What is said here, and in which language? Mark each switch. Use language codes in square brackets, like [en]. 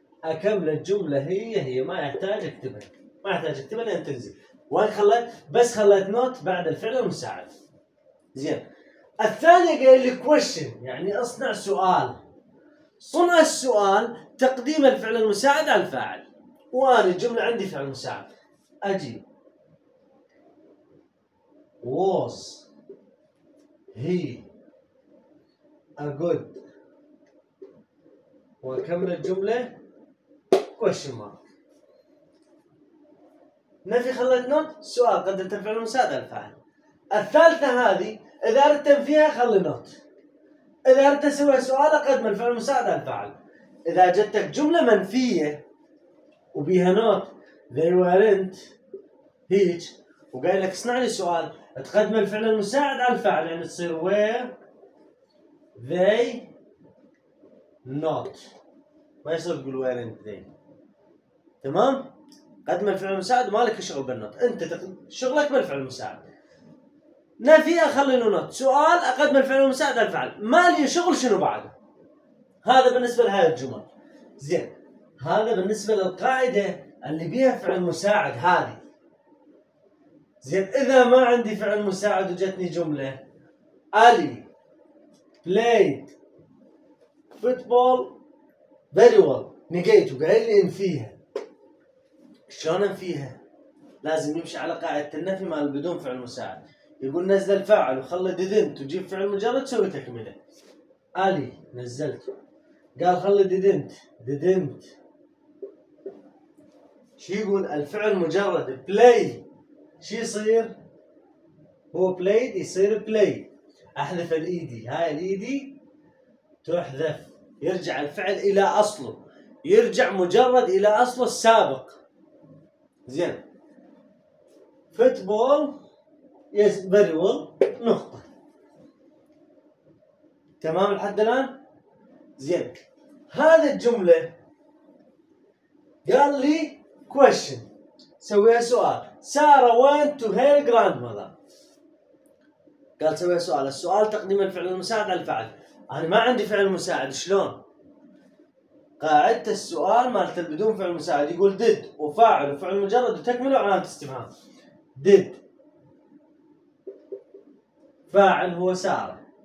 [ar] اكمل الجمله هي ما يحتاج اكتبها، ما يحتاج اكتبها لين تنزل. وين خليت؟ بس خليت نوت بعد الفعل المساعد. زين. الثانيه قايل لي كويشن، يعني اصنع سؤال. صنع السؤال تقديم الفعل المساعد على الفاعل. وانا الجمله عندي فعل مساعد. اجي [en] was he a good، [ar] واكمل الجمله [en] question mark. [ar] نفي خليت نوت، سؤال قدمت الفعل المساعد على الفاعل. الثالثه هذه اذا اردت تنفيها خلي نوت، اذا اردت تسوي سؤال اقدم الفعل المساعد على الفاعل. اذا جتك جمله منفيه وبيها نوت [en] they weren't [ar] هيج، وقال لك اصنع لي سؤال تقدم الفعل المساعد على الفعل، يعني تصير [en] where they not، [ar] ما يصير تقول [en] weren't they. [ar] تمام، قدم الفعل المساعد ومالك شغل بالنوت، انت شغلك بالفعل المساعد. نفي أخلينه نوت. سؤال أقدم الفعل ومساعد الفعل. ما لي شغل شنو بعده؟ هذا بالنسبة لهذه الجمل. زين. هذا بالنسبة للقاعدة اللي بيها فعل مساعد هذه. زين. إذا ما عندي فعل مساعد وجتني جملة. ألي. [en] played football very well. [ar] نقيته قايل لي إن فيها. شلون فيها؟ لازم يمشي على قاعدة النفي مال بدون فعل مساعد. يقول نزل فاعل وخلي didn't وجيب فعل مجرد تسوي تكملة. ألي نزلت. قال خلي didn't. شو يقول الفعل مجرد play؟ شو يصير؟ هو played يصير play. أحذف الإيدي. هاي الإيدي تحذف. يرجع الفعل إلى أصله. يرجع مجرد إلى أصله السابق. زين. فوتبول يس [en] very well [ar] نقطة. تمام لحد الآن؟ زين. هذه الجملة قال لي question. سويها سؤال. [en] Sarah went to her grandmother. [ar] قال سويها سؤال. السؤال تقديم الفعل المساعد على الفعل. أنا ما عندي فعل مساعد. شلون؟ قاعدة السؤال مالت بدون فعل مساعد يقول did وفاعل وفعل مجرد وتكمله علامة استفهام. did فاعل هو سارة.